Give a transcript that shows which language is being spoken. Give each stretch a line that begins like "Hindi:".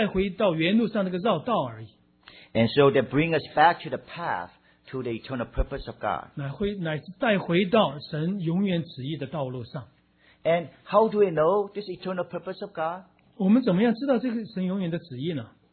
Chinese: 但是亲爱的弟兄姊妹，我们知道吗？救恩只是一个，是我们带回到原路上那个绕道而已。
English: And so they bring us back to the path. To the eternal purpose of God.
Chinese: 乃是带回到神永远旨意的道路上。
English: And how do we know this eternal purpose of God?
Chinese: 我们怎么样知道这个神永远的旨意呢？